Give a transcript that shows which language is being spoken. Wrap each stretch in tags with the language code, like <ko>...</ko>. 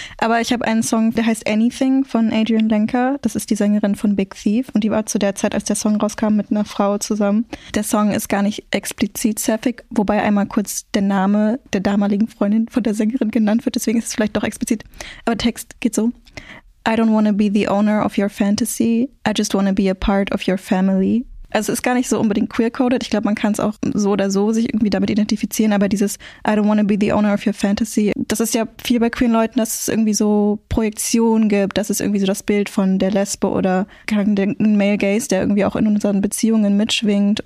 <de>Aber ich habe einen Song, der heißt Anything von Adrienne Lenker. Das ist die Sängerin von Big Thief und die war zu der Zeit, als der Song rauskam, mit einer Frau zusammen. Der Song ist gar nicht explizit Sapphic, wobei einmal kurz der Name der damaligen Freundin von der Sängerin genannt wird, deswegen ist es vielleicht doch explizit. Aber Text geht so.</de> <en>I don't wanna be the owner of your fantasy. I just wanna be a part of your family.</en> <de>Also es ist gar nicht so unbedingt queer-coded. Ich glaube, man kann es auch so oder so sich irgendwie damit identifizieren. Aber dieses</de> <en>I don't wanna be the owner of your fantasy,</en> <de>das ist ja viel bei queeren Leuten, dass es irgendwie so Projektionen gibt. Das ist irgendwie so das Bild von der Lesbe oder ein Male Gaze, der irgendwie auch in unseren Beziehungen mitschwingt.</de>